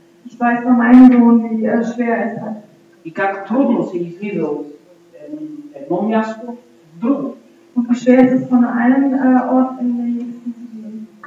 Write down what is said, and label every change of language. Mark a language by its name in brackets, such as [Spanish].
[German] Ich weiß von meinem Sohn, wie schwer es hat. [Bulgarian] И как трудно се излиза от едно място в друго. [German] Und wie schwer es ist von einem Ort in den nächsten zu gehen.